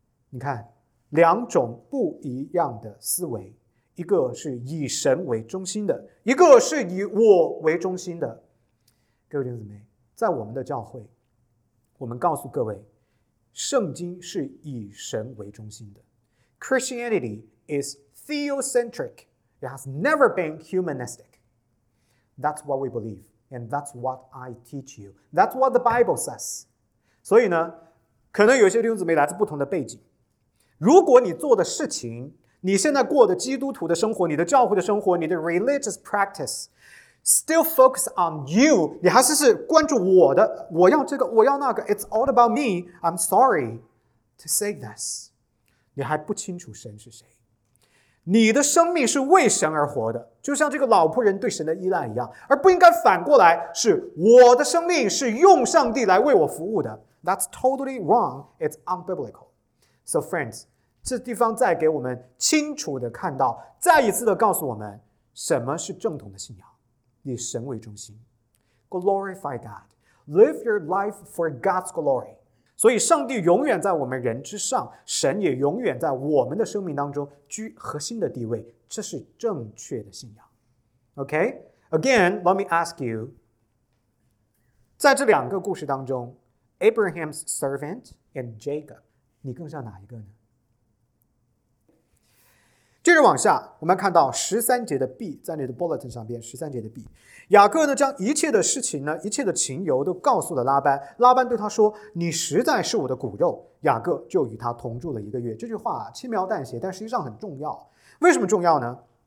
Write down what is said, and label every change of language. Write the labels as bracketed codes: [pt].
[zh] 你看两种不一样的思维，一个是以神为中心的，一个是以我为中心的。各位弟兄姊妹，在我们的教会，我们告诉各位，圣经是以神为中心的。 [en] Christianity is theocentric. It has never been humanistic. That's what we believe, and that's what I teach you. That's what the Bible says. [zh] 所以呢，可能有些弟兄姊妹来自不同的背景，如果你做的事情，你现在过的基督徒的生活，你的教会的生活，你的 [en] religious practice still focus on you， [zh] 你还是关注我的，我要这个，我要那个， [en] it's all about me， I'm sorry to say this， [zh] 你还不清楚神是谁。你的生命是为神而活的，就像这个老仆人对神的依赖一样，而不应该反过来，是我的生命是用上帝来为我服务的。 [en] That's totally wrong， it's unbiblical。 So friends, [zh] 这地方再给我们清楚的看到，再一次的告诉我们什么是正统的信仰，以神为中心。 [en] Glorify God. Live your life for God's glory. [zh] 所以上帝永远在我们人之上，神也永远在我们的生命当中居核心的地位，这是正确的信仰。OK? [en] Again, let me ask you, [zh] 在这两个故事当中 [en] Abraham's servant and Jacob, [zh] 你更像哪一个呢？接着往下，我们看到13节的 B, 在你的 bulletin 上边13节的 B。雅各呢将一切的事情呢一切的情由都告诉了拉班，拉班对他说，你实在是我的骨肉，雅各就与他同住了一个月。这句话轻描淡写，但实际上很重要。为什么重要呢？